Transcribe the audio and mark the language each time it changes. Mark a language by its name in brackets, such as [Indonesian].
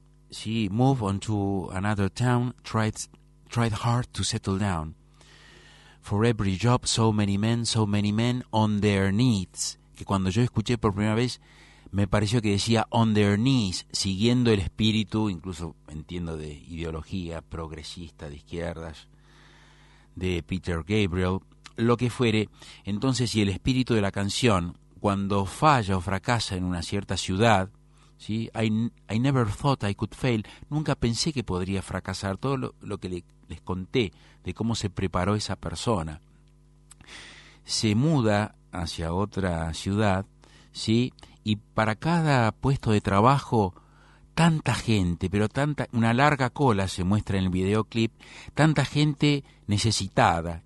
[English] She moved on to another town, tried hard to settle down. For every job, so many men on their knees. [Spanish] Que cuando yo escuché por primera vez, me pareció que decía [English] on their knees, [Spanish] siguiendo el espíritu, incluso entiendo de ideología progresista de izquierdas, de Peter Gabriel, lo que fuere. Entonces, si el espíritu de la canción, cuando falla o fracasa en una cierta ciudad, ¿sí? [English] I never thought I could fail. [Spanish] Nunca pensé que podría fracasar. Todo lo que les conté de cómo se preparó esa persona. Se muda hacia otra ciudad, ¿sí? Y para cada puesto de trabajo, tanta gente, pero tanta, una larga cola se muestra en el videoclip, tanta gente necesitada.